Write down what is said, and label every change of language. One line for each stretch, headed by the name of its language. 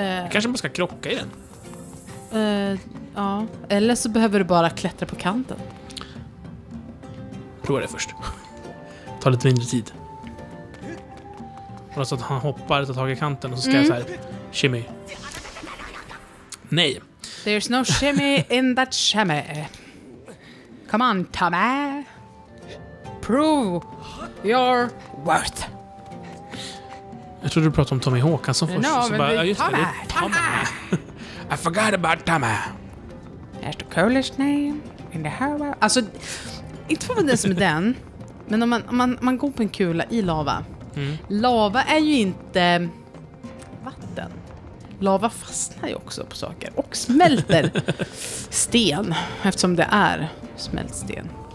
Swedish: Kanske man ska krocka i den. Ja, eller så behöver du bara klättra på kanten. Prova det först. Ta lite mindre tid. Och så att han hoppar och tar tag i kanten och så ska jag så här, shimmy. Nej.
English: There's no shimmy in that shimmy. Come on, Tommy. Prove your worth.
Swedish: Jag tror du pratade om Tommy Håkan som först.
English: No,
Swedish: så bara, just Tommy. Tommy.
English: I forgot about Tommy. That's the coolest name in the whole world.
Swedish: Alltså, inte för mig det som är den. Men om man går på en kula i lava. Mm. Lava är ju inte vatten. Lava fastnar ju också på saker och smälter sten, eftersom det är smält sten.